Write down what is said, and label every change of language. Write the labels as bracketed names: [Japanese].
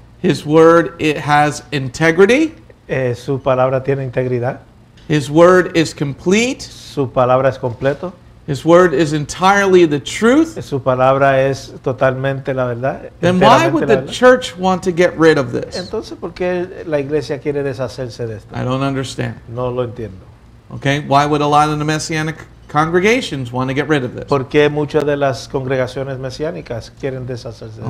[English] His word, it has integrity. [Spanish] Su palabra tiene integridad. [English] His word is complete. [Spanish] Su palabra es completo. [English] His word is entirely the truth. [Spanish] Su palabra es totalmente la verdad. [English] Then why would the church want to get rid of this? [Spanish] Entonces, ¿por qué la iglesia quiere deshacerse de esto? [English] I don't understand. [Spanish] No lo entiendo. [English] Okay, why would a lot of the messianic congregations want to get rid of this? [Spanish] ¿Por qué muchas de las congregaciones mesiánicas quieren deshacerse de esto?